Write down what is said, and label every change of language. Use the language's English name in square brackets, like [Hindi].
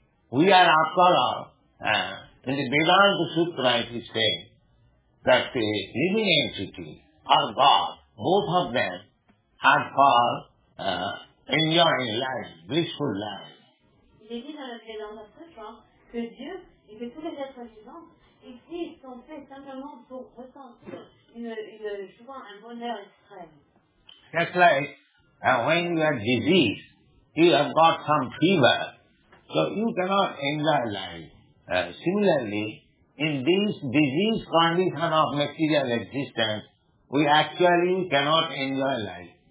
[English] We are after all, in the Vedanta Sutra it is saying that the living entity or God, both of them are for enjoying life, blissful life. [French] Il est dit dans le Vedanta Sutra que Dieu et que tous les êtres vivants ici sont faits simplement pour ressentir une joie, un bonheur extrême. [English] That's like when you are diseased, you have got some fever. So you cannot enjoy life. Similarly, in this disease condition of material existence, we actually cannot enjoy life.